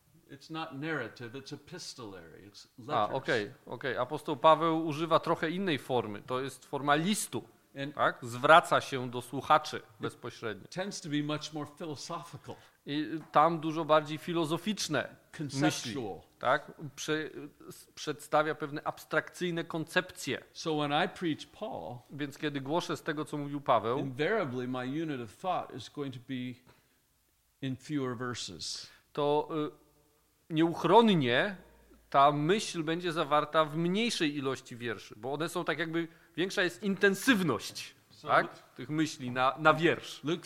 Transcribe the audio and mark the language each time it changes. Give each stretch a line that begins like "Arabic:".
English: It's not narrative, it's epistolary, it's letters. Okay.
Polish: Apostoł Paweł używa trochę innej formy. To jest forma listu, and tak? Zwraca się do słuchaczy bezpośrednio.
English: Tends to be much more philosophical.
Polish: I tam dużo bardziej filozoficzne
English: conceptual
Polish: myśli, tak? Przedstawia pewne abstrakcyjne koncepcje.
English: So when I preach Paul,
Polish: więc kiedy głoszę z tego, co mówił Paweł,
English: invariably my unit of thought is going to be in fewer verses.
Polish: To nieuchronnie ta myśl będzie zawarta w mniejszej ilości wierszy, bo one są tak jakby, większa jest intensywność, tak? Tych myśli na wiersz.